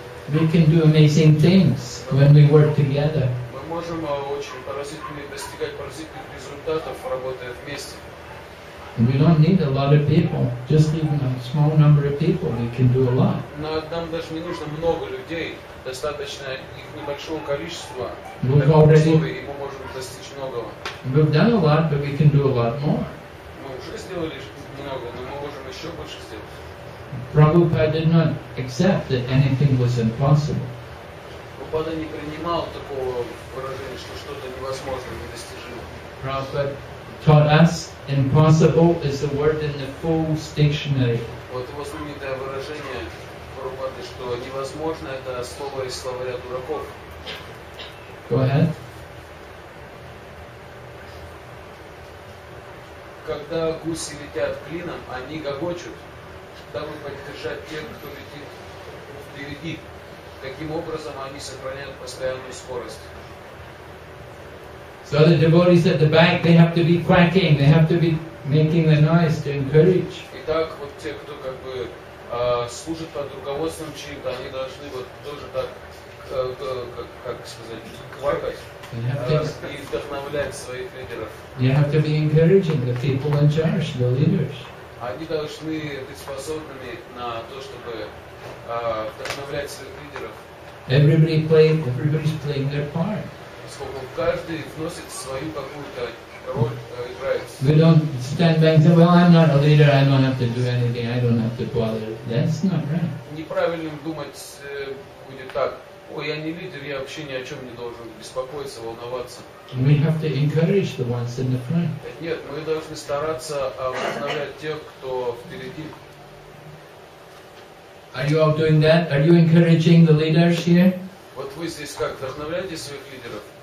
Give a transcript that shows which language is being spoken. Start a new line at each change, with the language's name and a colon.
English: We can do amazing things when we work together.
Russian: Мы можем очень поразительно достигать поразительных результатов, работая вместе.
English: We don't need a lot of people. Just even a small number of people, we can do a lot.
Russian: Но нам даже не нужно много людей. Достаточно их небольшого количества. Мы можем достичь многого.
English: We've done a lot, but we can do a lot more.
Russian: Мы уже сделали много, но мы можем еще больше сделать.
English: Prabhupada did not accept that anything was impossible.
Russian: Prabhupada не принимал такого выражения, что что-то невозможно, недостижимо.
English: Prabhupada taught us. Impossible is the word in the full dictionary.
Russian: Вот его знаменитое выражение Прабхупады, что невозможно, это слово из словаря дураков.
English: Go ahead.
Russian: Когда гуси летят клином, они гогочут, дабы поддержать тех, кто летит впереди. Таким образом они сохраняют постоянную скорость.
English: So the devotees at the back, they have to be quacking, they have to be making the noise to encourage.
Russian: Итак, вот те, кто как бы служит под руководством чьим-то, они должны вот тоже так как сказать, квакать, и вдохновляет своих лидеров.
English: You have to be encouraging the people in charge, the leaders.
Russian: Они должны быть способными на то, чтобы вдохновлять своих лидеров.
English: Everybody's playing their part.
Russian: Поскольку каждый вносит свою какую-то роль, играет.
English: We don't stand back and say, well, I'm not a leader, I don't have to do anything, I don't have to bother. That's not right.
Russian: Неправильным думать будет так, ой, я не лидер, я вообще ни о чем не должен беспокоиться, волноваться.
English: We have to encourage the ones in the front.
Russian: Нет, мы должны стараться вдохновлять тех, кто впереди.
English: Are you all doing that? Are you encouraging the leaders here?
Russian: Вот вы здесь как, вдохновляете своих лидеров?